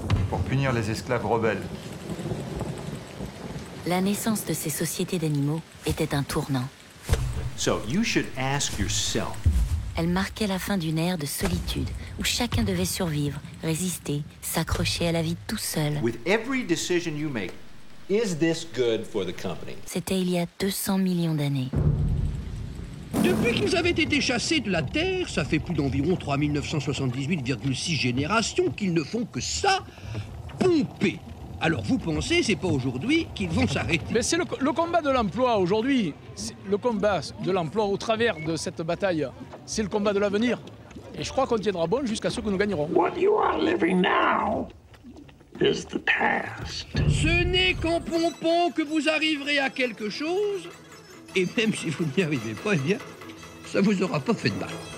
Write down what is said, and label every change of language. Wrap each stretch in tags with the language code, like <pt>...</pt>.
<fr>Pour punir les esclaves rebelles. La naissance de ces sociétés d'animaux était un tournant.</fr> <en>So, you should ask yourself.</en> <fr>Elle marquait la fin d'une ère de solitude où chacun devait survivre, résister, s'accrocher à la vie tout seul.</fr> <en>With every decision you make, is this good for the company?</en> <fr>C'était il y a 200 millions d'années. Depuis qu'ils avaient été chassés de la Terre, ça fait plus d'environ 3978,6 générations qu'ils ne font que ça, pomper. Alors vous pensez, c'est pas aujourd'hui qu'ils vont s'arrêter? Mais c'est le combat de l'emploi aujourd'hui. C'est le combat de l'emploi au travers de cette bataille, c'est le combat de l'avenir. Et je crois qu'on tiendra bon jusqu'à ce que nous gagnerons.</fr> <en>What you are living now is the past.</en> <fr>Ce n'est qu'en pompant que vous arriverez à quelque chose. Et même si vous n'y arrivez pas, eh bien, ça vous aura pas fait de mal.</fr>